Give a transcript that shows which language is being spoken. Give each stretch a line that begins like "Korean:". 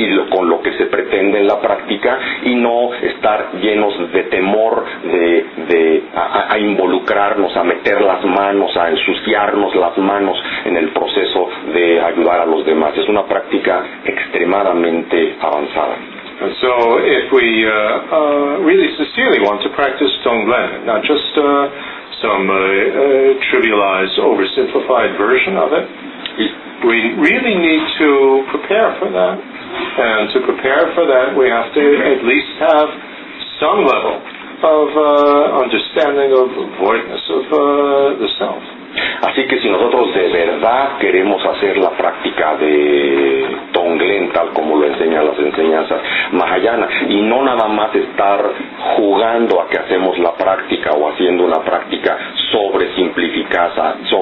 Spanish: con lo que se pretende en la práctica, y no estar llenos de temor de involucrarnos, a meter las manos, a ensuciarnos las manos en el proceso de ayudar a los demás. Es una práctica extremadamente avanzada.
English: And so if we really sincerely want to practice Tonglen, not just some trivialized, oversimplified version of it, we really need to prepare for that. And to prepare for that, we have to at least have some level of understanding of voidness of the self.
Spanish: Así que si nosotros de verdad queremos hacer la práctica de Tonglen, tal como lo enseñan las enseñanzas mahayanas, y no nada más estar jugando a que hacemos la práctica o haciendo una práctica sobre simplificada,